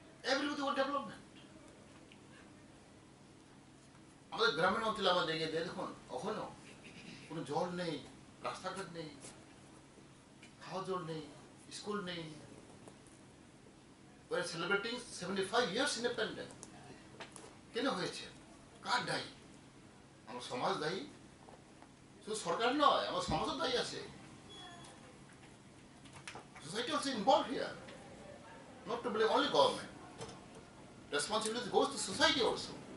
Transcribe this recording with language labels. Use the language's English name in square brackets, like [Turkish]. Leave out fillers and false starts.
[English] Everybody want development. [Bangla] আমাদের গ্রামীণ অঞ্চলে আমরা দেখে দেখুন, ওখানেও কোনো জল নেই, রাস্তাঘাট নেই, খাওয়া জল নেই, স্কুল নেই। [English] We are celebrating 75 years independent. [Bangla] কেন হয়েছে? কার দায়ী? আমার সমাজ দায়ী, শুধু সরকার নয়, আমার সমাজও দায়ী আছে। [English] Society also involve here, not to believe only government, responsibility goes to society also.